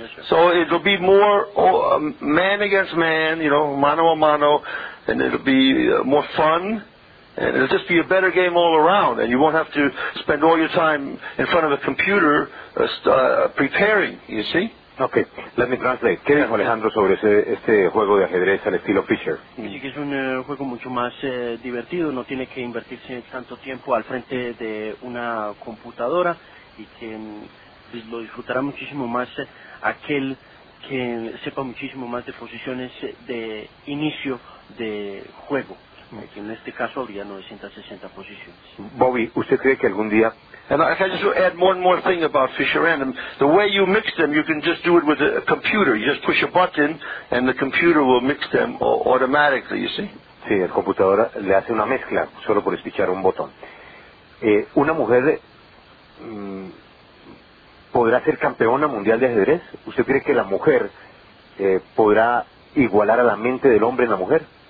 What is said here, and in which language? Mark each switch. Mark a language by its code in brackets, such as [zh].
[en] So it'll be more man against man, you know, mano a mano, and it'll be more fun, and it'll just be a better game all around, and you won't have to spend all your time in front of a computer preparing, you see? Okay, let me translate. [es] ¿Qué dijo Alejandro sobre este juego de ajedrez al estilo Fischer? Sí, que es un juego mucho más divertido, no tiene que invertirse tanto tiempo al frente de una computadora, y que lo disfrutará muchísimo más aquel que sepa muchísimo más de posiciones de inicio de juego, que en este caso habría 960 posiciones. Bobby, ¿usted cree que algún día... [en] And I can just add one more thing about Fischer and them. The way you mix them, you can just do it with a computer. You just push a button, and the computer will mix them automatically, you see? [es] Sí, el computador le hace una mezcla solo por espichar un botón. ¿Una mujer podrá ser campeona mundial de ajedrez? ¿Usted cree que la mujer podrá igualar a la mente del hombre en la mujer?